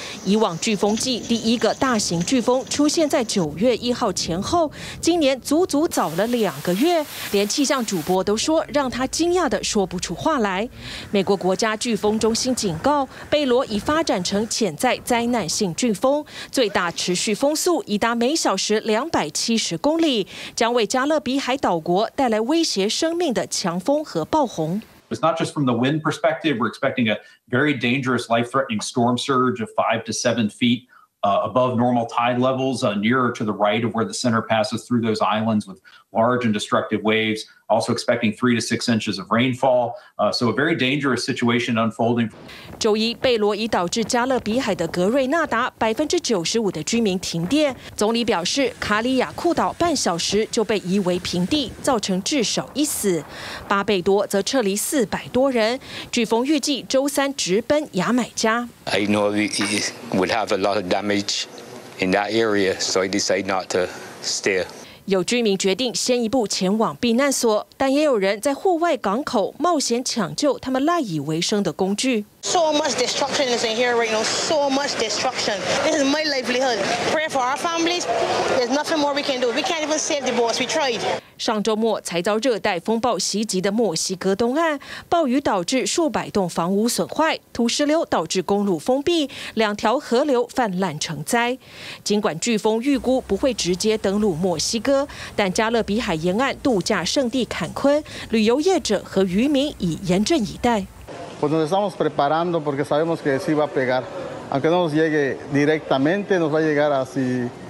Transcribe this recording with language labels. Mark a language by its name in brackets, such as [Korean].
[Chinese] 以往飓风季第一个大型飓风出现在9月1号前后，今年足足早了2个月，连气象主播都说让他惊讶的说不出话来。美国国家飓风中心警告，贝罗已发展成潜在灾难性飓风，最大持续风速已达每小时270公里，将为加勒比海岛国带来威胁生命的强风和暴洪。 [English] It's not just from the wind perspective. We're expecting a very dangerous, life-threatening storm surge of 5 to 7 feet above normal tide levels, nearer to the right of where the center passes through those islands with large and destructive waves. Also expecting 3 to 6 inches of rainfall. So a very dangerous situation unfolding. [Chinese] 周一，贝罗已导致加勒比海的格瑞纳达95%的居民停电。总理表示，卡里亚库岛半小时就被夷为平地，造成至少1死。巴贝多则撤离400多人。飓风预计周三直奔牙买加。 [English] I know it would have a lot of damage in that area, so I decided not to stay. [Chinese] 有居民决定先一步前往避难所，但也有人在户外港口冒险抢救他们赖以为生的工具。 [English] So much destruction is in here right now. So much destruction. This is my livelihood. Pray for our families. There's nothing more we can do. We can't even save the boats. We tried. [Chinese] 上周末才遭热带风暴袭击的墨西哥东岸，暴雨导致数百栋房屋损坏，土石流导致公路封闭，两条河流泛滥成灾。尽管飓风预估不会直接登陆墨西哥，但加勒比海沿岸度假胜地坎昆，旅游业者和渔民已严阵以待。 [Spanish] Pues nos estamos preparando porque sabemos que sí va a pegar. Aunque no nos llegue directamente, nos va a llegar así.